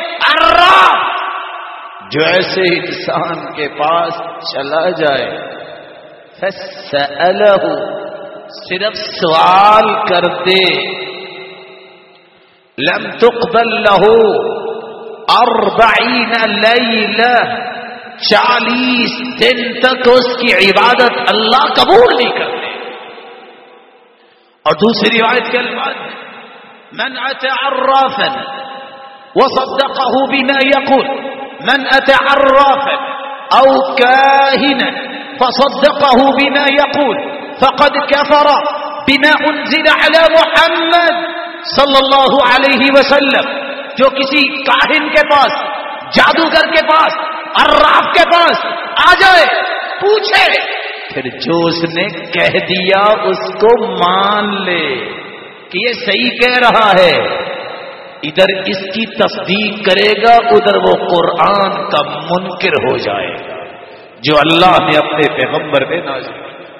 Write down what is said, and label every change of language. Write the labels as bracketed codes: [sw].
[ur] الراف جو ایسے انسان کے پاس چلا جائے فسألہ صرف سوال کر دے, [ar] لم تقبل له اربعین لیلہ, [ur] 40 دن تک اس کی عبادت اللہ قبول نہیں کرتے. اور دوسری روایت کے الفاظ, [ar] من اتى عرافا وصدقه بما يقول من اتى عرافا او كاهنا فصدقه بما يقول فقد كفر بما انزل على محمد صلى الله عليه وسلم. [ur] جو کسی کاہن کے پاس, جادوگر کے پاس, عراف کے پاس آ جائے, پوچھے, پھر جو اس نے کہہ دیا اس کو مان لے کہ یہ صحیح کہہ رہا ہے, ادھر اس کی تصدیق کرے گا ادھر وہ قرآن کا منکر ہو جائے گا جو اللہ نے اپنے پیغمبر پہ نازل کیا.